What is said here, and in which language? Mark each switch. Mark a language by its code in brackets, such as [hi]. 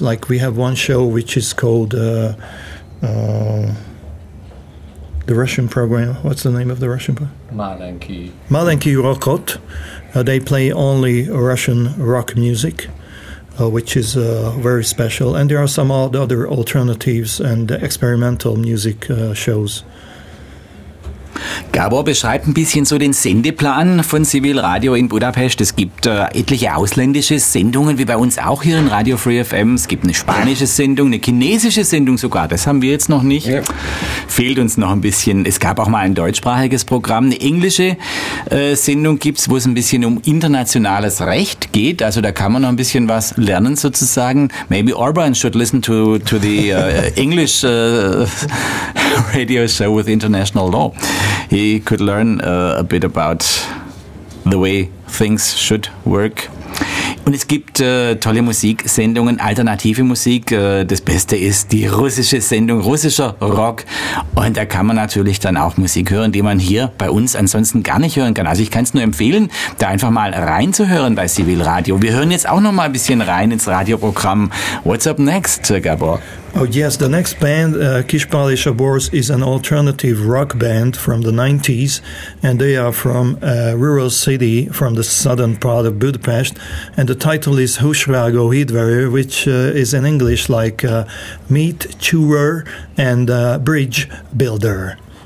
[en] Like, we have one show which is called the Russian program. What's the name of the Russian program? Malenki Rokot. They play only Russian rock music, which is very special. And there are some other alternatives and experimental music shows. [de] Gabor beschreibt ein bisschen so den Sendeplan von Civil Radio in Budapest. Es gibt etliche ausländische Sendungen, wie bei uns auch hier in Radio Free FM. Es gibt eine spanische Sendung, eine chinesische Sendung sogar. Das haben wir jetzt noch nicht. Ja. Fehlt uns noch ein bisschen. Es gab auch mal ein deutschsprachiges Programm. Eine englische Sendung gibt's, wo es ein bisschen um internationales Recht geht. Also da kann man noch ein bisschen was lernen sozusagen. [en] Maybe Orban should listen to the English radio show with international law. He could learn a bit about the way things should work. [de] Und es gibt tolle Musiksendungen, alternative Musik. Das Beste ist die russische Sendung, russischer Rock. Und da kann man natürlich dann auch Musik hören, die man hier bei uns ansonsten gar nicht hören kann. Also ich kann es nur empfehlen, da einfach mal reinzuhören bei Civil Radio. Wir hören jetzt auch noch mal ein bisschen rein ins Radioprogramm. [en] What's up next, Gabor? Oh yes, the next band, Kishpali Shabors, is an alternative rock band from the 90s, and they are from a rural city from the southern part of Budapest, and the title is Hushrago Hidvari, which is in English like meat chewer and bridge builder.